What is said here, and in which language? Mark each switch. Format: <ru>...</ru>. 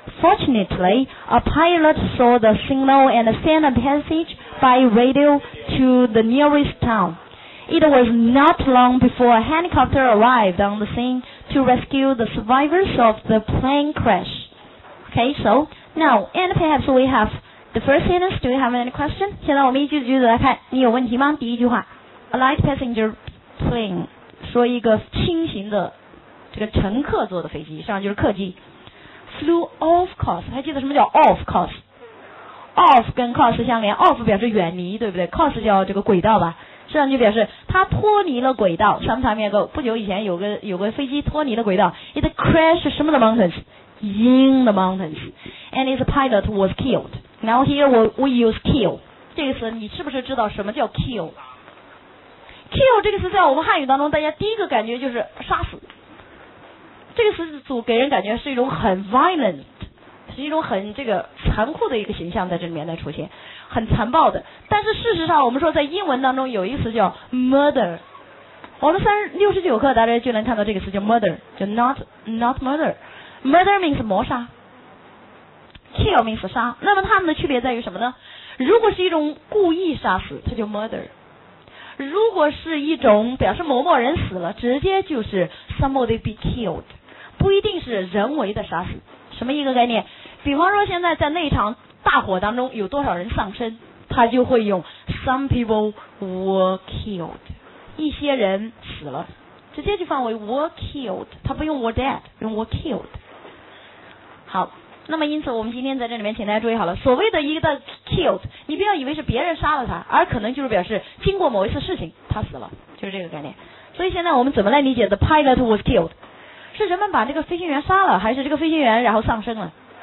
<en>Fortunately, a pilot saw the signal and sent a message by radio to the nearest town. It was not long before a helicopter arrived on the scene to rescue the survivors of the plane crash. Okay, so now, and perhaps we have the first sentence. Do you have any question?</en> <zh>现在我们一句句子来看，你有问题吗？第一句话 ，</zh> <en>A light passenger plane，</en> <zh>说一个轻型的这个乘客坐的飞机，实际上就是客机。</zh> <en>Flew off course，</en> <zh>还记得什么叫 off course？Off 跟 course 相连 ，off 表示远离，对不对 ？course 叫这个轨道吧，实际上就表示它脱离了轨道。</zh> <en>Sometime ago，</en> <zh>不久以前有个飞机脱离了轨道 ，</zh> <en>it crashed</en> <zh>什么的 mountains。</zh> <en>In the mountains, and his pilot was killed. Now here we use kill.</en> <zh>这个词你是不是知道什么叫 kill? Kill 这个词在我们汉语当中，大家第一个感觉就是杀死。这个词组给人感觉是一种很 violent， 是一种很这个残酷的一个形象在这里面来出现，很残暴的。但是事实上，我们说在英文当中有一个词叫 murder。我们369课大家就能看到这个词叫 murder， 就</zh> <en>not murder。 Murder means 谋杀 ，kill means 杀。</en> <zh>那么它们的区别在于什么呢？如果是一种故意杀死，它就 murder。如果是一种表示某某人死了，直接就是</zh> <en>somebody be killed，</en> <zh>不一定是人为的杀死。什么一个概念？比方说现在在那场大火当中有多少人丧生，他就会用</zh> <en>some people were killed，</en> <zh>一些人死了。直接就范围</zh> <en>were killed，</en> <zh>他不用</zh> <en>were dead，</en> <zh>用 were killed。好，那么因此我们今天在这里面请大家注意好了，所谓的一个 killed， 你不要以为是别人杀了他，而可能就是表示经过某一次事情他死了，就是这个概念。所以现在我们怎么来理解</zh> <en>the pilot was killed？</en> <zh>是人们把这个飞行员杀了，还是这个飞行员然后丧生了？</zh>